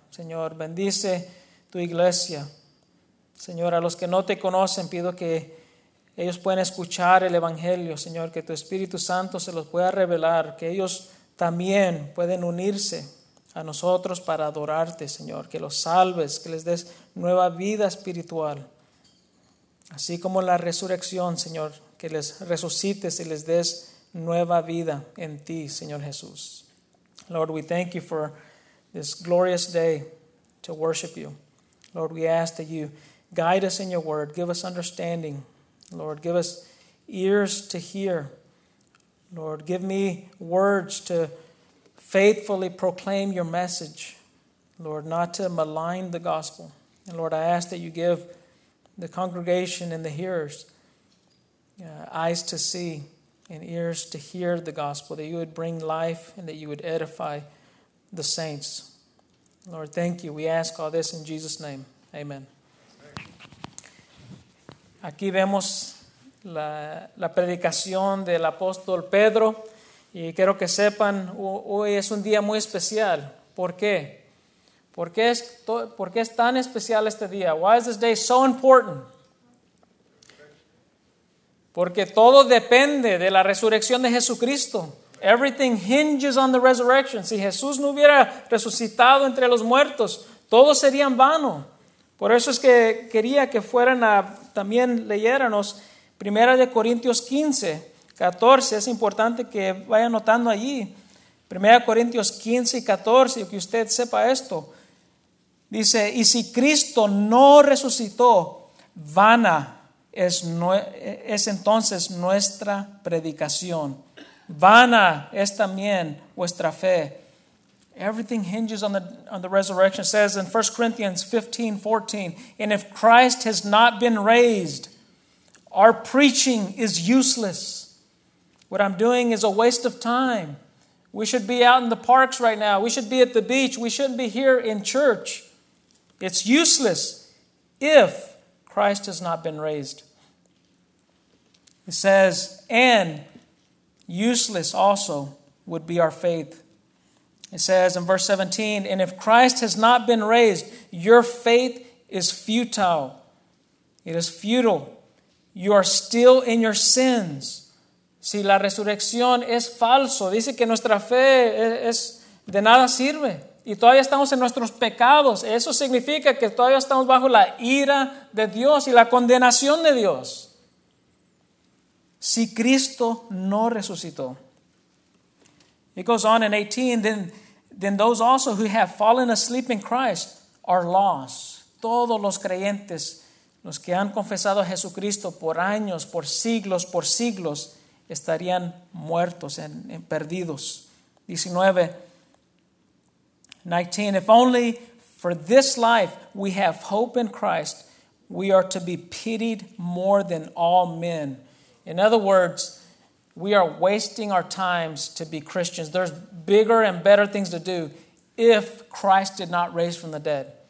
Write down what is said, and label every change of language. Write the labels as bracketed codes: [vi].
[es] Señor, bendice tu iglesia. Señor, a los que no te conocen, pido que ellos pueden escuchar el Evangelio, Señor, que tu Espíritu Santo se los pueda revelar, que ellos también pueden unirse a nosotros para adorarte, Señor, que los salves, que les des nueva vida espiritual, así como la resurrección, Señor, que les resucites y les des nueva vida en ti, Señor Jesús. [en] Lord, we thank you for this glorious day to worship you. Lord, we ask that you guide us in your word, give us understanding. Lord, give us ears to hear. Lord, give me words to faithfully proclaim your message. Lord, not to malign the gospel. And Lord, I ask that you give the congregation and the hearers eyes to see and ears to hear the gospel, that you would bring life and that you would edify the saints. Lord, thank you. We ask all this in Jesus' name. Amen. [es] Aquí vemos la predicación del apóstol Pedro. Y quiero que sepan, hoy es un día muy especial. ¿Por qué? ¿Por qué es tan especial este día? [en] Why is this day so important? [es] Porque todo depende de la resurrección de Jesucristo. [en] Everything hinges on the resurrection. [es] Si Jesús no hubiera resucitado entre los muertos, todo sería en vano. Por eso es que quería que fueran a también leyéramos 1 de Corintios 15, 14. Es importante que vaya notando allí. 1 Corintios 15 y 14, que usted sepa esto. Dice, y si Cristo no resucitó, vana es entonces nuestra predicación. Vana es también vuestra fe. [en] Everything hinges on the resurrection. It says in 1 Corinthians 15, 14, and if Christ has not been raised, our preaching is useless. What I'm doing is a waste of time. We should be out in the parks right now. We should be at the beach. We shouldn't be here in church. It's useless if Christ has not been raised. It says, and useless also would be our faith. It says in verse 17, and if Christ has not been raised, your faith is futile. It is futile. You are still in your sins. [es] Si la resurrección es falso, dice que nuestra fe es de nada sirve. Y todavía estamos en nuestros pecados. Eso significa que todavía estamos bajo la ira de Dios y la condenación de Dios. Si Cristo no resucitó. [en] It goes on in 18, then those also who have fallen asleep in Christ are lost. [es] Todos los creyentes, los que han confesado a Jesucristo por años, por siglos, estarían muertos, en perdidos. [en] 19, if only for this life we have hope in Christ, we are to be pitied more than all men. In other words, we are wasting our times to be Christians. There's bigger and better things to do if Christ did not raise from the dead.